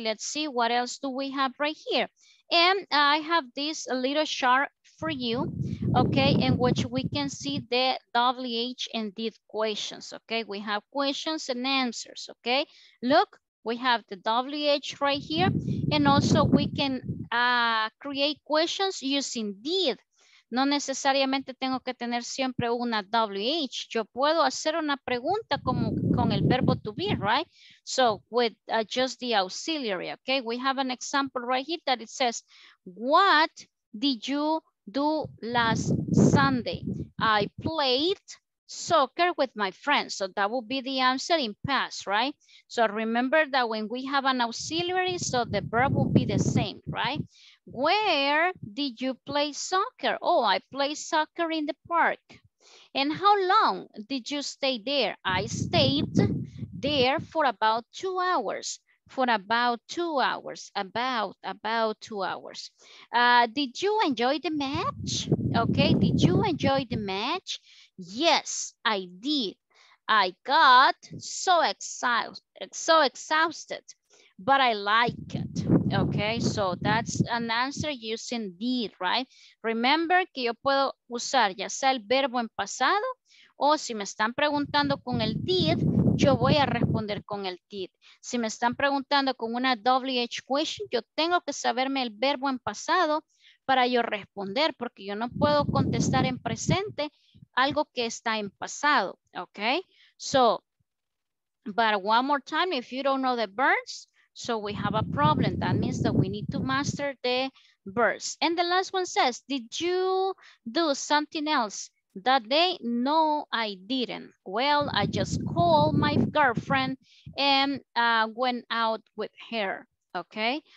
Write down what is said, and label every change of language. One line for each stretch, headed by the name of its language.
English: Let's see what else do we have right here. And I have this little chart for you, okay, in which we can see the WH and did questions, okay? We have questions and answers, okay? Look, we have the WH right here, and also we can create questions using did.
Spanish: No necesariamente tengo que tener siempre una WH. Yo puedo hacer una pregunta como con el verbo to be, right?
English: So with just the auxiliary, okay? We have an example right here that it says, what did you do last Sunday? I played soccer with my friends. So that would be the answer in past, right? So remember that when we have an auxiliary, so the verb will be the same, right? Where did you play soccer? Oh, I played soccer in the park. And how long did you stay there? I stayed there for about 2 hours. For about 2 hours, about 2 hours. Did you enjoy the match? Okay, did you enjoy the match? Yes, I did. I got so exhausted, but I like it. Okay, so that's an answer using did, right?
Spanish: Remember que yo puedo usar ya sea el verbo en pasado o si me están preguntando con el did, yo voy a responder con el did. Si me están preguntando con una WH question, yo tengo que saberme el verbo en pasado para yo responder, porque yo no puedo contestar en presente algo que está en pasado, okay?
English: So, but one more time, if you don't know the verbs, so we have a problem. That means that we need to master the verbs. And the last one says, did you do something else that day? No, I didn't. Well, I just called my girlfriend and went out with her, okay?